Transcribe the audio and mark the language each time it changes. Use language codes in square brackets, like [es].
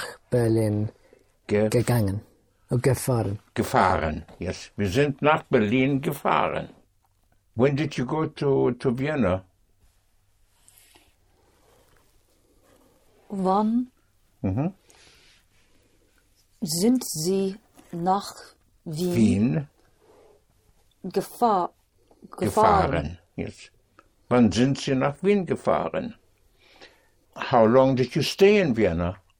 [de] wir sind nach Berlin gegangen. Gefahren, [en] yes. [de] Wir sind nach Berlin gefahren. [en] When did you go to Vienna? [de] Wann sind Sie nach Wien gefahren? [en] Yes. [de] Wann sind Sie nach Wien gefahren? [en] How long did you stay in Vienna?